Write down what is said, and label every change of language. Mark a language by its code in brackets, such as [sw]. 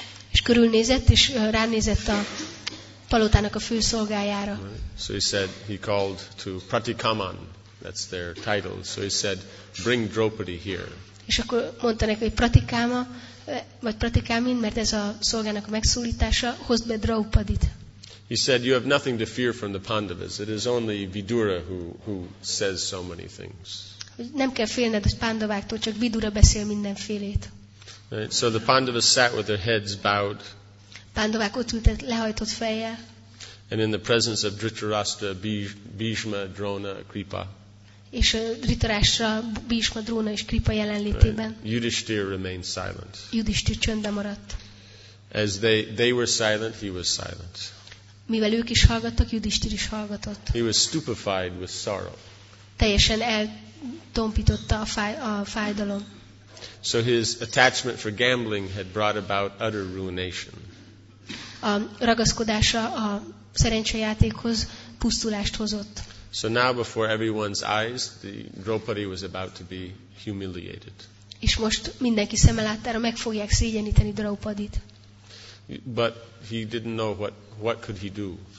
[hu] És körülnézett és ránézett a palotának a főszolgájára. [en] So he said, he called to Pratikaman, that's their title. So he said, "Bring Draupadi here." [hu] És akkor mondta neki, hogy Pratikama, vagy Pratikamin, mert ez a szolgának a megszólítása, hozd be Draupadit. [en] He said, "You have nothing to fear from the Pandavas. It is only Vidura who says so many things." [hu] Nem kell félned a Pandaváktól, csak Vidura beszél mindenfélét. [en] Right, so the Pandavas sat with their heads bowed. [hu] Pandavák ott ültek lehajtott fejjel. [en] And in the presence of Dhritarashtra, Bhishma, Drona, Kripa. [hu] És Dhritarashtra, Bhishma, Drona és Kripa jelenlétében. [en] Right. Yudhishthira remained silent. [hu] Yudhishthira csöndben maradt. [en] As they were silent, he was silent. [hu] Mivel ők is hallgattak, Yudhishthira is hallgatott. [en] He was stupefied with sorrow. [hu] Teljesen eltompította a fájdalom. [en] So his attachment for gambling had brought about utter ruination. [hu] A ragaszkodása a szerencsejátékhoz pusztulást hozott. [en] So now before everyone's eyes, the Draupadi was about to be humiliated. [hu] És most mindenki szeme láttára meg fogják szégyeníteni Draupadit. [en] But he didn't know what could he do.